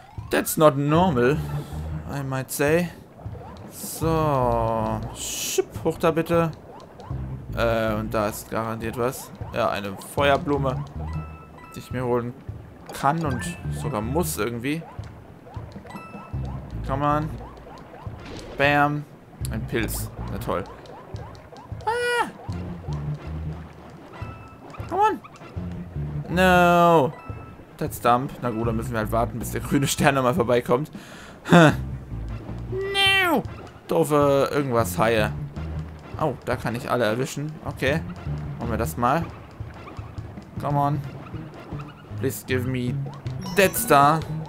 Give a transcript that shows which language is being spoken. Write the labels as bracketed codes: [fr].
[en] That's not normal, I might say. [de] So. Schipp, hoch da bitte. Und da ist garantiert was. Ja, eine Feuerblume, die ich mir holen kann und sogar muss irgendwie. [en] Come on. [de] Bam. Ein Pilz. Na toll. Ah. [en] Come on. No. That's dump. [de] Na gut, dann müssen wir halt warten, bis der grüne Stern nochmal vorbeikommt. [en] No. [de] Doofe irgendwas Haie. Oh, da kann ich alle erwischen. Okay. Machen wir das mal. [en] Come on. Please give me that star.